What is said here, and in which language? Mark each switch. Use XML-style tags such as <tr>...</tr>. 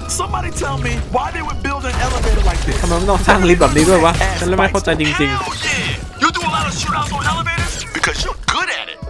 <en>Somebody tell me why they would build an elevator like this.</en> <th>ทำไมต้องสร้างลิฟต์แบบนี้ด้วยวะฉันเลยไม่เข้าใจจริง</th> <en>ๆ You do a lot of shootouts on elevators because you're good at it.</en>